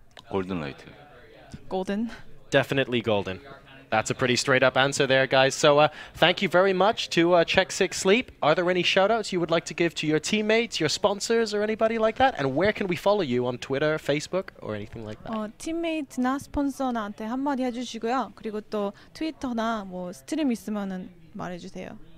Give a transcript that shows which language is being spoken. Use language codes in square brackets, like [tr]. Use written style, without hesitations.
[en] Golden Light. Golden? Definitely Golden. That's a pretty straight-up answer there, guys. So thank you very much to Check Six Sleep. Are there any shout-outs you would like to give to your teammates, your sponsors, or anybody like that? And where can we follow you on Twitter, Facebook, or anything like that? [ko] 팀메이트나 스폰서나한테 한마디 해주시고요. 그리고 또 트위터나 뭐 스트림 있으면 말해주세요.